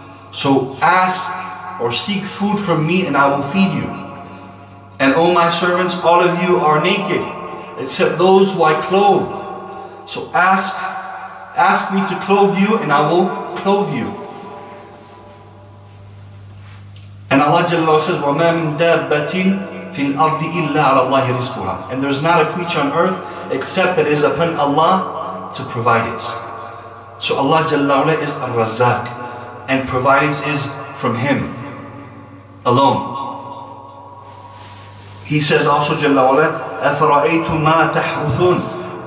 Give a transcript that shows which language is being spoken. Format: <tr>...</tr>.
<en>So ask or seek food from me and I will feed you. And oh my servants, all of you are naked except those who I clothe. So ask me to clothe you and I will clothe you." And Allah Jalla says,</en> <ar>"وَمَا مِنْ دَابَّةٍ فِي الْأَرْضِ إِلَّا عَلَى اللَّهِ رِزْقُهَا."</ar> <en>And there's not a creature on earth except that is upon Allah to provide it. So Allah Jalla wa'ala is al-Razzaq, and providence is from Him alone. He says also Jalla wa'ala,</en> <ar>أَفَرَأَيْتُمْ مَا تَحْرُثُونَ.</ar>